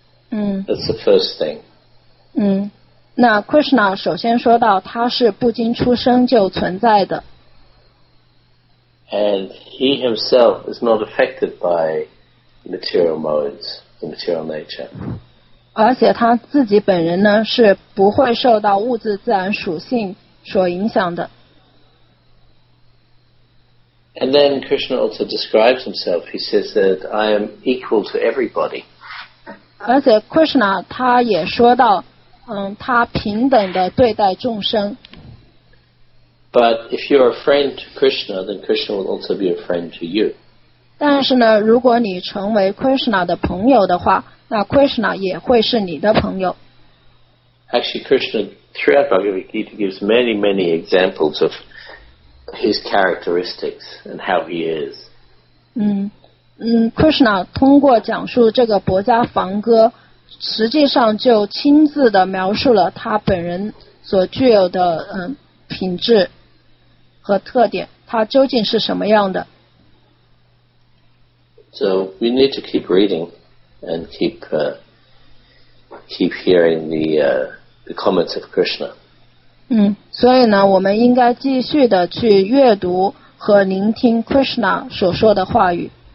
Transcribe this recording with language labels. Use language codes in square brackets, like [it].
[en] That's the first thing. [zh] 那 Krishna 首先说到他是不经出生就存在的。 [en] And he himself is not affected by material modes, the material nature. [zh] 而且他自己本人呢是不会受到物质自然属性所影响的。 [en] And then Krishna also describes himself. He says that I am equal to everybody. [zh] 而且 Krishna 他也说到，他平等的对待众生。 [en] But if you are a friend to Krishna, then Krishna will also be a friend to you. [zh] 但是呢，如果你成为 Krishna 的朋友的话，那 Krishna 也会是你的朋友。 [en] Actually, Krishna throughout Bhagavad Gita gives many, many examples of. His characteristics and how he is. [zh] Krishna 通过讲述这个薄伽梵歌，实际上就亲自的描述了他本人所具有的品质和特点，他究竟是什么样的。 [en] So we need to keep reading and keep hearing the comments of Krishna. [zh] 所以呢我们应该继续的去阅读和聆听 Krishna 所说的话语。